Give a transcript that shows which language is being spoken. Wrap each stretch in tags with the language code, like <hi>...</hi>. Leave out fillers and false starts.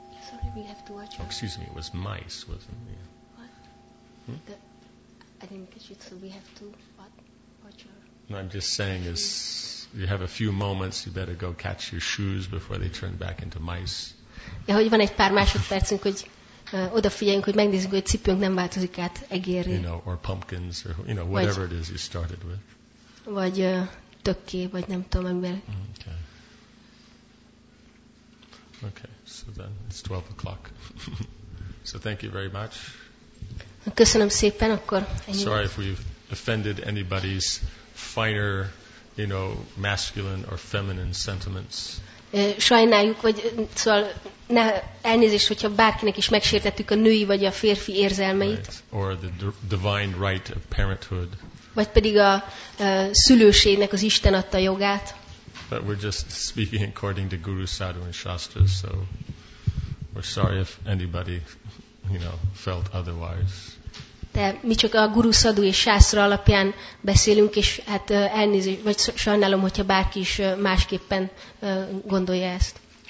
<en>Sorry, we have to watch. Oh, excuse me, it was mice, wasn't it? Yeah. What? I didn't catch it, so we have to watch our... No, I'm just saying is, you have a few moments, you better go catch your shoes before they turn back into mice.</en> <hu>Ja, hogy van egy pár másodpercünk, hogy... odafigyeljünk, hogy megnézzük, hogy cipőnk nem változik át egérre.</hu> <en>You know, or pumpkins, or you know, whatever it is you started with.</en> <hu>Vagy tökké, vagy nem tudom, amivel.</hu> <en>Okay. Okay, so then it's 12 o'clock. So thank you very much.</en> <hu>Köszönöm szépen, akkor ennyi.</hu> <en>Sorry if we've offended anybody's finer, you know, masculine or feminine sentiments.</en> <hu>Sajnáljuk, vagy szóval ne, elnézést, hogyha bárkinek is megsértettük a női vagy a férfi érzelmeit.</hu> <en>Right. Or the divine right of parenthood.</en> <hu>Vagy pedig a szülőségnek az Isten adta jogát.</hu> <en>But we're just speaking according to Guru Sadhu and Shastra, so we're sorry if anybody, you know, felt otherwise.</en> <hu>De mi csak a Guru Sadhu és Shastra alapján beszélünk, és hát elnézést, vagy sajnálom, hogyha bárki is másképpen gondolja ezt.</hu>